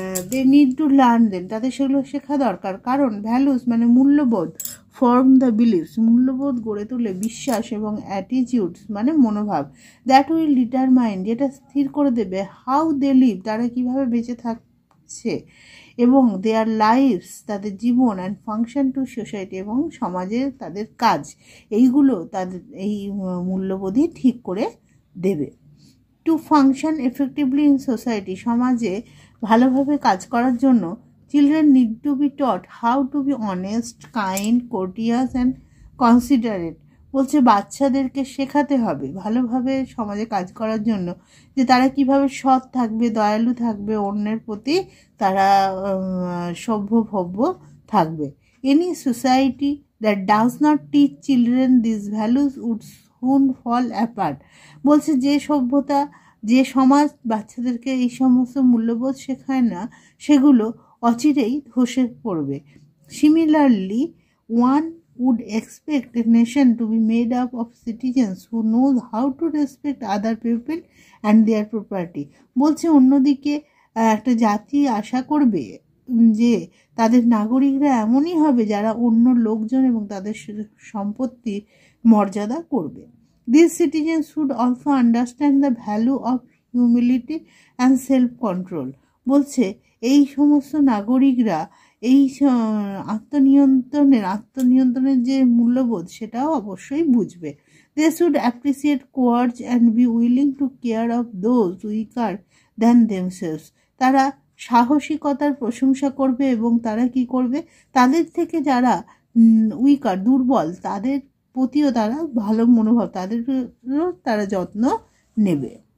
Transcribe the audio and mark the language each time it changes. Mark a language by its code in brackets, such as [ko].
[en] they need to learn [bn] দেন তাদের সেগুলো শেখা দরকার কারণ ভ্যালুস মানে মূল্যবোধ [en] form the beliefs [bn] মূল্যবোধ গড়ে তোলে বিশ্বাস এবং অ্যাটিচিউডস মানে মনোভাব [en] that will determine [bn] যেটা স্থির করে দেবে [en] how they live [bn] তারা কীভাবে বেঁচে থাকছে এবং [en] their lives [bn] তাদের জীবন [en] and function to society [bn] এবং সমাজের তাদের কাজ এইগুলো তাদের এই মূল্যবোধই ঠিক করে দেবে [en] to function effectively in society, [bn] সমাজে ভালোভাবে কাজ করার জন্য [en] children need to be taught how to be honest, kind, courteous and considerate. [bn] বলছে বাচ্চাদেরকে শেখাতে হবে ভালোভাবে সমাজে কাজ করার জন্য যে তারা কিভাবে সৎ থাকবে, দয়ালু থাকবে, অন্যের প্রতি তারা সভ্যভব্য থাকবে. [en] Any society that does not teach children this values would soon fall apart. [bn] বলছে যে সভ্যতা, যে সমাজ বাচ্চাদেরকে এই সমস্ত মূল্যবোধ শেখায় না, সেগুলো অচিরেই ধসে পড়বে. [en] Similarly one would expect a nation to be made up of citizens who knows how to respect other people and their property. [bn] বলছে অন্যদিকে একটা জাতি আশা করবে যে তাদের নাগরিকরা এমনই হবে যারা অন্য লোকজন এবং তাদের সম্পত্তি মর্যাদা করবে. [en] These citizens should also understand the value of humility and self-control. [bn] বলছে এই সমস্ত নাগরিকরা এই আত্মনিয়ন্ত্রণের যে মূল্যবোধ সেটাও অবশ্যই বুঝবে. [en] They should appreciate courage and be willing to care of those weaker than themselves. [bn] তারা সাহসিকতার প্রশংসা করবে এবং তারা কি করবে, তাদের থেকে যারা উইকার দুর্বল তাদের প্রতিও তারা ভালো মনোভাব, তাদেরও তারা যত্ন নেবে.